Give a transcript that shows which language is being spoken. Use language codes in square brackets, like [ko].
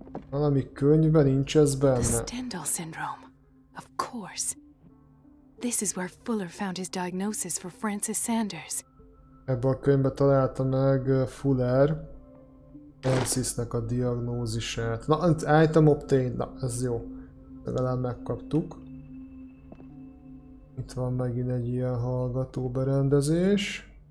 [hu] Valami könyvben nincs ez benne. [en] The Stendhal syndrome. Of course. This is where Fuller found his diagnosis for Francis Sanders. [hu] Ebben a könyvben találta meg Fuller Francisnek a diagnózisát. Na, [en] item obtained. [hu] Na, ez jó. Legalább megkaptuk. Itt van megint egy ilyen hallgató berendezés.